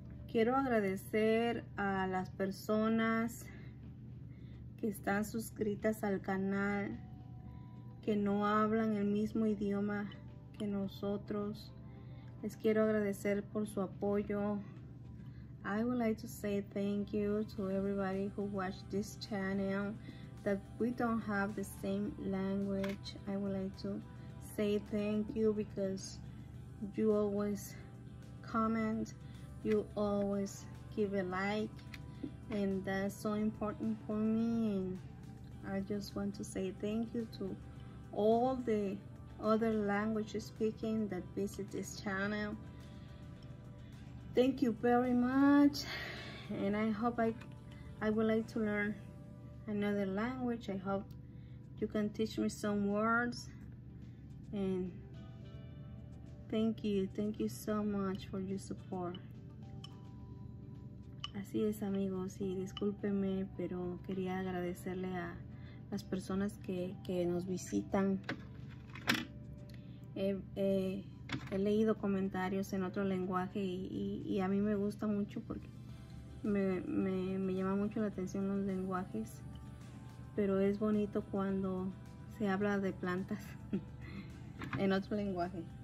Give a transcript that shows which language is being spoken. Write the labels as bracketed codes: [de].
[es] Quiero agradecer a las personas que están suscritas al canal, que no hablan el mismo idioma que nosotros. Les quiero agradecer por su apoyo. [en] I would like to say thank you to everybody who watched this channel, that we don't have the same language. I would like to say thank you because you always comment, you always give a like, and that's so important for me. And I just want to say thank you to all the other languages speaking that visit this channel. Thank you very much, and I hope I would like to learn another language. I hope you can teach me some words. And thank you so much for your support. [es] Así es, amigos, y discúlpenme, pero quería agradecerle a las personas que nos visitan. He leído comentarios en otro lenguaje y a mí me gusta mucho porque me llama mucho la atención los lenguajes, pero es bonito cuando se habla de plantas en otro lenguaje.